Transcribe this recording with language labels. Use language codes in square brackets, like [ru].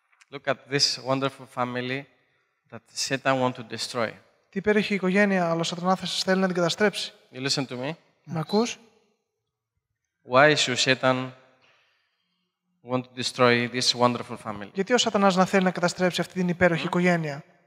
[en] Look at this wonderful family that Satan wants to destroy. [el] Τι υπέροχη οικογένεια, αλλά ο Σατανάς θέλει να την καταστρέψει. [en] You listen to me. [el] Με ακούς? [en] Why should Satan want to destroy this wonderful family? [el] Γιατί ο Σατανάς να θέλει να καταστρέψει αυτή την υπέροχη οικογένεια?